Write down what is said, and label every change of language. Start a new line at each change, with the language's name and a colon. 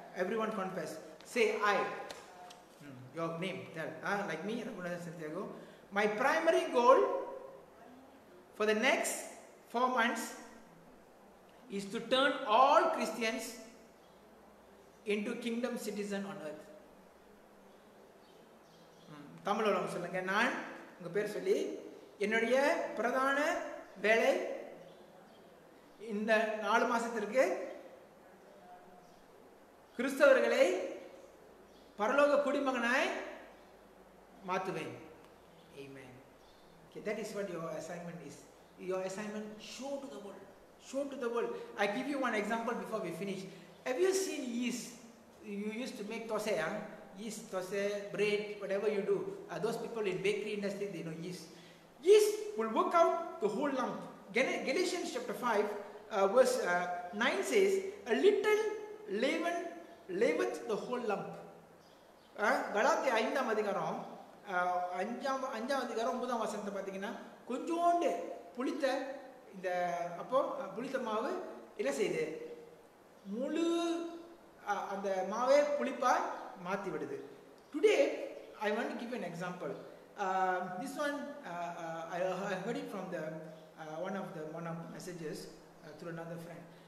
English: Everyone confess. Say I. Your name. Tell. Like me, Raghunandan Santiago. My primary goal for the next 4 months is to turn all Christians into kingdom citizens on earth.
Tamil: தமிழ்ல நான் சொல்லுங்க, நான் உங்க பேர் சொல்லி, என்னுடைய பிரதான வேலை இந்த 4 மாசத்திற்கு கிறிஸ்தவர்களை பரலோக குடிமகனாய் மாற்றுவேன். ஆமென்.
English: Okay, that is what your assignment is. Your assignment, show to the world. Show to the world. I give you one example before we finish. Have you seen yeast? You used to make thosai, huh? Yeast, thosai, bread, whatever you do. Those people in bakery industry, they know yeast. Yeast will work out the whole lump. Galatians chapter 5, verse 9 says, a little leaven leaveth the whole lump.
Tamil: Galatia 5 அதிகாரம் 5 அதிகாரம் 9 வசனத்தை பார்த்தீங்கன்னா, கொஞ்சோண்டு புளித்த இந்த அப்போ புளித்த மாவு என்ன செய்யுது, முழு அந்த மாவே புளிப்பாய் மாற்றி விடுது.
English: Today I want to give an example. This one, I heard it from the one of the messages through another friend.